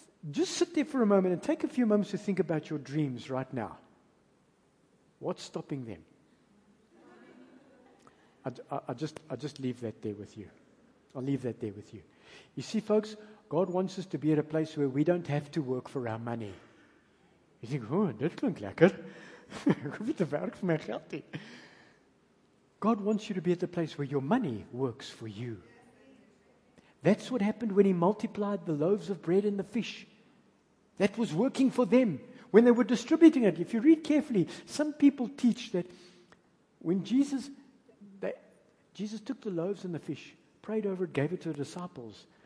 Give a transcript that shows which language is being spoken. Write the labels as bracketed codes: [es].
[en] Just sit there for a moment and take a few moments to think about your dreams right now. What's stopping them? I'll just leave that there with you. I'll leave that there with you. You see, folks, God wants us to be at a place where we don't have to work for our money. You think, oh, [af] dit klink lekker. Ek hoef nie te werk vir my geld nie. [en] God wants you to be at the place where your money works for you. That's what happened when he multiplied the loaves of bread and the fish. That was working for them. When they were distributing it, if you read carefully, some people teach that when Jesus took the loaves and the fish, prayed over it, gave it to the disciples.